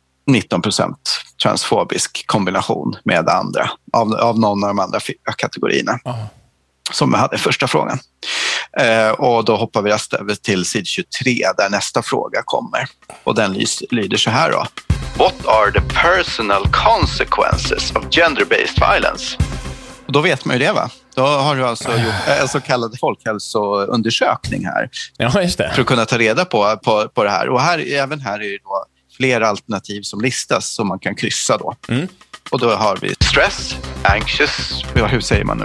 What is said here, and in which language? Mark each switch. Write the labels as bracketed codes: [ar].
[sv] 19% transfobisk kombination med andra, av någon av de andra fyra kategorierna. Aha. Som jag hade första frågan. Och då hoppar vi över till sid 23 där nästa fråga kommer. Och den lyder så här då. [en] What are the personal consequences of gender-based violence? [sv] Och då vet man ju det, va? Då har du alltså gjort en så kallad folkhälsoundersökning här. Ja, just det. För att kunna ta reda på det här. Och här, även här är ju då flera alternativ som listas som man kan kryssa då. Mm. Och då har vi [en] stress, anxious, [sv] ja, hur säger man nu?